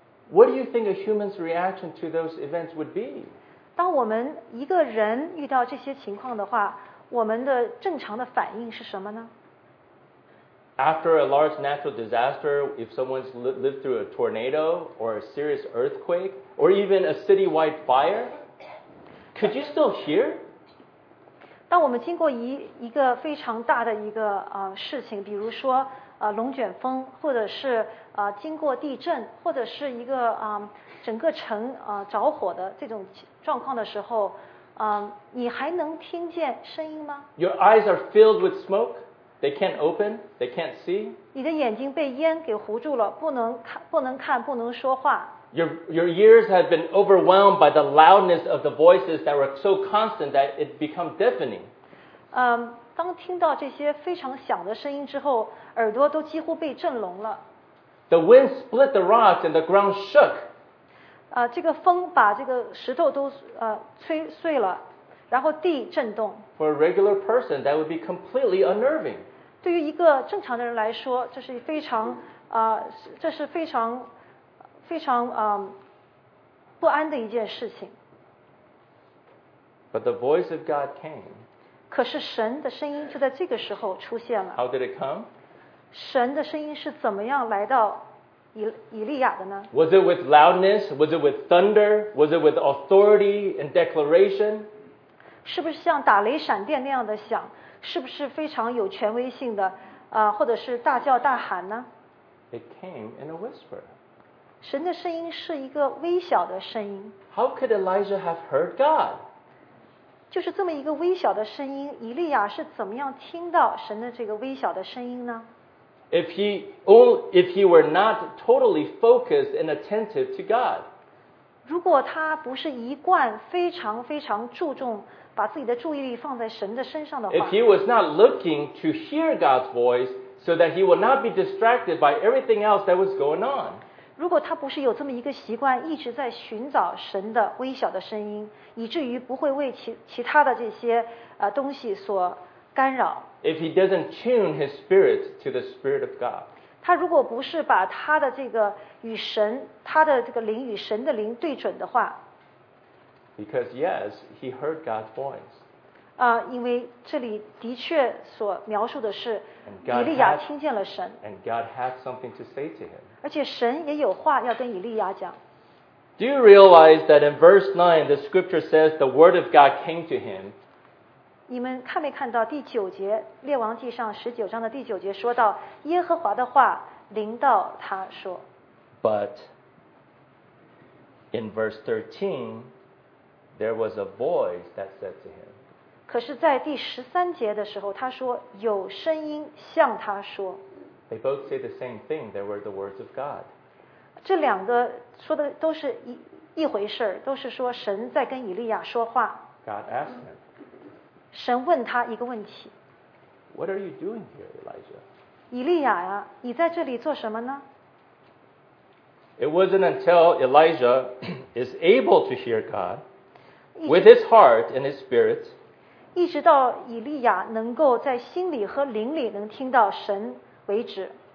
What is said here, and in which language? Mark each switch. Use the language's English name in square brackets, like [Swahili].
[English] What do you think a human's reaction to those events would be? [Chinese] 当我们一个人遇到这些情况的话，我们的正常的反应是什么呢？ [English] After a large natural disaster, if someone's lived through a tornado or a serious earthquake or even a citywide fire, could you still hear? [Chinese] 当我们经过一个非常大的一个事情，比如说龙卷风，或者是经过地震，或者是一个整个城着火的这种状况的时候，你还能听见声音吗？ [English] Your eyes are filled with smoke. They can't open. They can't see. [Chinese] 你的眼睛被烟给糊住了，不能看，不能说话。 [English] Your ears have been overwhelmed by the loudness of the voices that were so constant that it became deafening. [Chinese] 当听到这些非常响的声音之后，耳朵都几乎被震聋了。 [English] The wind split the rocks and the ground shook. [Chinese] 这个风把这个石头都吹碎了，然后地震动。 [English] For a regular person, that would be completely unnerving. [Chinese] 对于一个正常的人来说，这是非常这是非常非常不安的一件事情。 [English] But the voice of God came. [Chinese] 可是神的声音就在这个时候出现了。 [English] How did it come? [Chinese] 神的声音是怎么样来到以利亚的呢？ [English] Was it with loudness? Was it with thunder? Was it with authority and declaration? [Chinese] 是不是像打雷闪电那样的响？是不是非常有权威性的？或者是大叫大喊呢？ [English] It came in a whisper. [Chinese] 神的声音是一个微小的声音。 [English] How could Elijah have heard God? [Chinese] 就是这么一个微小的声音，以利亚是怎么样听到神的这个微小的声音呢？ [English] If he were not totally focused and attentive to God, [Chinese] 如果他不是一贯非常非常注重把自己的注意力放在神的身上的话， [English] if he was not looking to hear God's voice so that he would not be distracted by everything else that was going on, [Chinese] 如果他不是有这么一个习惯，一直在寻找神的微小的声音，以至于不会为其他的这些东西所干扰。 [English] If he doesn't tune his spirit to the spirit of God, [Chinese] 他如果不是把他的这个与神，他的这个灵与神的灵对准的话， [English] because yes, he heard God's voice. [Chinese] 因为这里的确所描述的是以利亚听见了神， [English] and God had something to say to him. [Chinese] 而且神也有话要跟以利亚讲。 [English] Do you realize that in verse 9, the scripture says the word of God came to him? [Chinese] 你们看没看到第九节，列王记上十九章的第九节说到，耶和华的话临到他说。 [English] But in verse 13, there was a voice that said to him. [Chinese] 可是在第十三节的时候，他说有声音向他说。 [English] They both say the same thing. There were the words of God. [Chinese] 这两个说的都是 一回事，都是说神在跟以利亚说话。 [English] God asked him. [Chinese] 神问他一个问题。 [English] What are you doing here, Elijah? [Chinese] 以利亚呀，你在这里做什么呢？ [English] It wasn't until Elijah is able to hear God with his heart and his spirit. [Chinese] 一直到以利亚能够在心里和灵里能听到神为止。